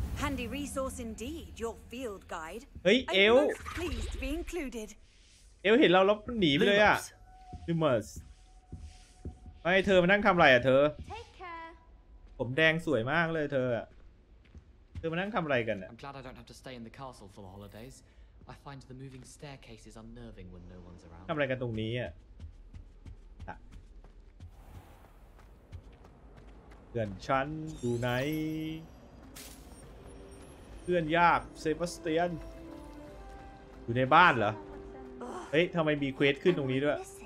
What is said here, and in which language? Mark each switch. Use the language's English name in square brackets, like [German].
[English] Handy resource indeed your field guide [Thai] เฮ้ยเอล [English] Pleased to be included [Thai] เอลเห็นเราแล้วหนีไปเลยอ่ะ Lumos ไม่เธอมานั่งทำอะไรอ่ะเธอ [English] Take care [Thai] ผมแดงสวยมากเลยเธอมานั่งทำอะไรกันอ่ะ [English] I'm glad I don't have to stay in the castle for the holidays I find the moving staircases unnerving when no one's around. [Thai] ทำอะไรกันตรงนี้อ่ะเพื่อนฉันอยู่ไหนเพื่อนยากเซบาสเตียนอยู่ในบ้านเหรอเฮ้ยทำไมมีเควสขึ้นตรงนี้ด้วย